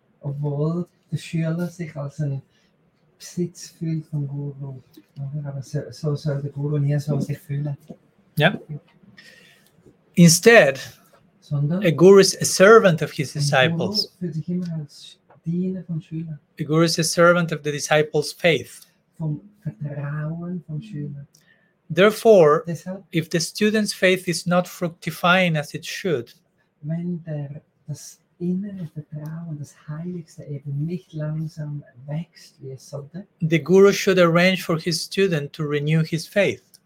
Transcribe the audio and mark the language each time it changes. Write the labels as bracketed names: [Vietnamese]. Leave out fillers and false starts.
[German] Obwohl der Schüler sich als ein Besitz fühlt vom Guru. Aber so soll der Guru nie so sich fühlen. Ja. [English] Instead, a guru is a servant of his disciples. [German] Ein Guru fühlt sich immer als Diener von Schülern. [English] A guru is a servant of the disciples' faith. [German] Vom Vertrauen von Schülern. [English] Therefore, if the student's faith is not fructifying as it should, [German] wenn der das innere Vertrauen, das Heiligste, eben nicht langsam wächst, wie es sollte. [English] The guru should arrange for his student to renew his faith.